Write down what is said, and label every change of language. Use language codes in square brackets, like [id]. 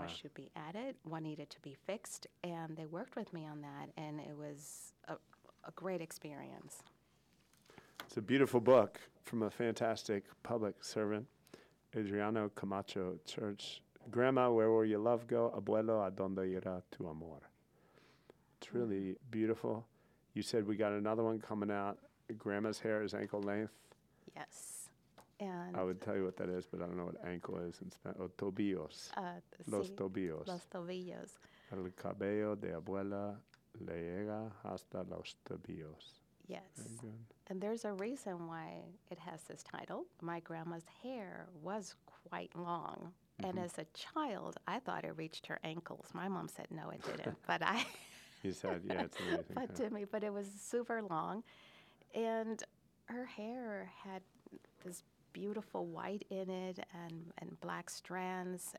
[en] what should be added, what needed to be fixed, and they worked with me on that, and it was a great experience. It's a beautiful book from a fantastic public servant, Adriano Camacho Church. Grandma, where will your love go? [es] Abuelo, ¿a dónde irá tu amor? [en] It's really beautiful. You said we got another one coming out. Grandma's hair is ankle length. Yes. And I would tell you what that is, but I don't know what ankle is. [es] Tobillos. Tobillos. Los tobillos. El cabello de abuela le llega hasta los tobillos. [en] Yes. And there's a reason why it has this title. My grandma's hair was quite long. Mm-hmm. And as a child, I thought it reached her ankles. My mom said, no, it didn't. But I... He said, yeah, it's amazing. But to me, but it was super long. And her hair had this beautiful white in it and black strands.